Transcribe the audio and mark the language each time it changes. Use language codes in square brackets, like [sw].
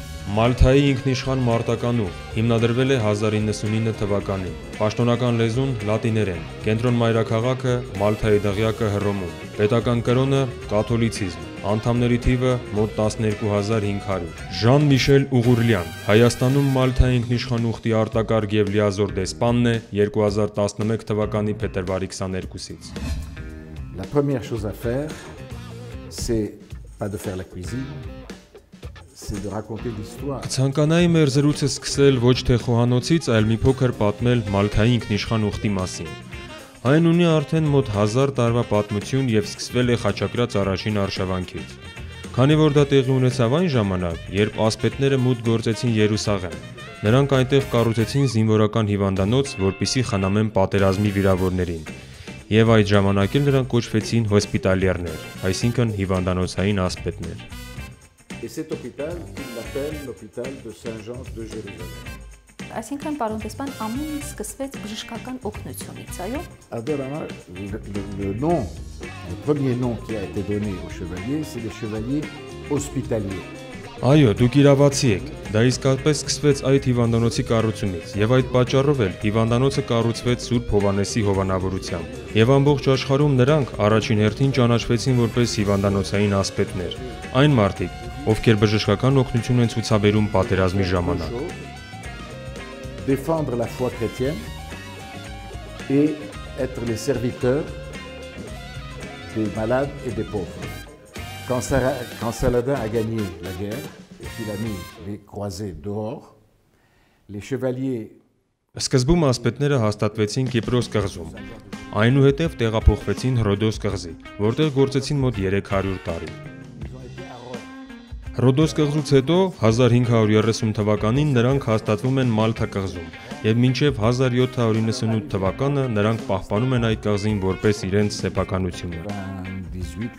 [hy] Մալթայի ինքնիշխան մարտական ուխտ հիմնադրվել է 1999 թվականին։ Պաշտոնական լեզուն՝ լատիներեն։ Կենտրոն մայրաքաղաքը՝ Մալթայի դղյակը՝ Հռոմում։ Պետական կրոնը՝ կաթոլիցիզմ։ Անդամների թիվը՝ մոտ 12500։ Ժան-Միշել Ուղուրլյան, Հայաստանում Մալթայի ինքնիշխան ուխտի արտակարգ և լիազոր դեսպանն է 2011 թվականի փետրվարի 22-ից։ [fr] La première chose à faire, c'est pas de faire la cuisine. [hy] Ցանկանայի մեր զրույցը սկսել ոչ թե խոհանոցից, այլ մի փոքր պատմել Մալթայի ինքնիշխան ուխտի մասին։ Այն ունի արդեն մոտ 1000 տարվա պատմություն և սկսվել է խաչակրած առաջին արշավանքից։ Քանի որ դա տեղի ունեցավ այն ժամանակ, երբ ասպետները մուտ գործեցին Երուսաղեմ, նրանք այնտեղ կառուցեցին զինվորական հիվանդանոց, որպիսի խանամեն պատերազմի վիրավորներին, և այդ ժամանակ էլ նրանք կոչվեցին հոսպիտալիերներ, այսինքն հիվանդանոցային ասպետներ։ [fr] Et cet hôpital, il l'appelle l'hôpital de Saint-Jean de Jérusalem. [hy] Այսինքն պարոն դեսպան, ամեն ինչ սկսվեց բժշկական օգնությունից, այո։ [fr] Adorama, le nom, le premier nom qui a été donné au chevalier, c'est le chevalier hospitalier. [hy] Այո, դուք իրավացի եք, դա իսկապես սկսվեց այդ հիվանդանոցի կառուցումից, եւ այդ պատճառով էլ հիվանդանոցը կառուցվեց Սուրբ Հովանեսի հովանավորությամբ, եւ ամբողջ աշխարհում նրանք առաջին հերթին ճանաչվեցին որպես հիվանդանոցային ասպետներ, այն մարդիկ, ովքեր բժշկական օգնություն են ցուցաբերում պատերազմի ժամանակ։ [fr] Défendre la foi chrétienne et être les serviteurs des malades et des pauvres. Quand Saladin a gagné la guerre et qu'il a mis les croisés dehors, les chevaliers. [hy] Սկզբում ասպետները հաստատվեցին Կիպրոս կղզում, այնուհետև տեղափոխվեցին Ռոդոս կղզի, որտեղ գործեցին մոտ 300 տարի։ Ռոդոս կղզուց հետո 1530 թվականին նրանք հաստատվում են Մալթա կղզում, և մինչև 1798 թվականը նրանք պահպանում են այդ կղզին որպես իրենց սեփականությունը։